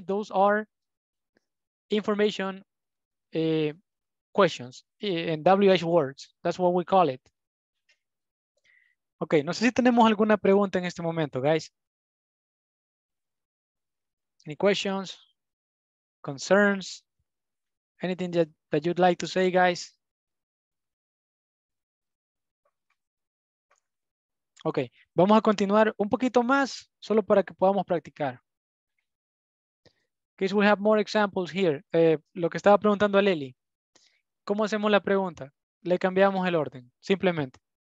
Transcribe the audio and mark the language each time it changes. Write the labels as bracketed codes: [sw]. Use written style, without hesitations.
[en] Those are information questions, and WH words, that's what we call it. [es] Okay, no sé si tenemos alguna pregunta en este momento, guys. [en] Any questions, concerns, anything that you'd like to say, guys? [es] Ok, vamos a continuar un poquito más, solo para que podamos practicar. [en] Okay, so we have more examples here. [es] Lo que estaba preguntando a Lely. ¿Cómo hacemos la pregunta? Le cambiamos el orden, simplemente.